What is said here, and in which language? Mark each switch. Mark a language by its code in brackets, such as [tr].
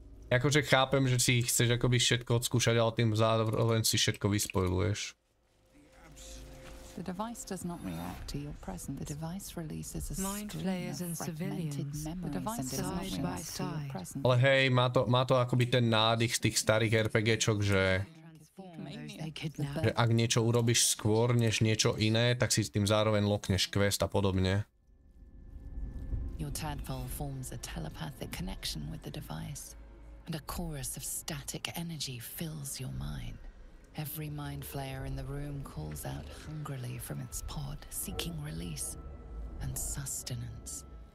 [sk] Akože chápem, že si chceš akoby všetko odskúšať, ale tým zároveň si všetko vyspoiluješ. [en] The device does not react to your presence. The device releases a mind flayers and civilians. The device side by side. [sk] Ale hej, má to akoby ten nádych z tých starých RPGčok, že... Že ak niečo urobíš skôr než niečo iné, tak si s tým zároveň lokneš quest a podobne. [en] Your tadpole forms a telepathic connection with the device, and a chorus of static energy fills your mind. Every mind flayer in the room calls out hungrily from its pod, seeking release and sustenance.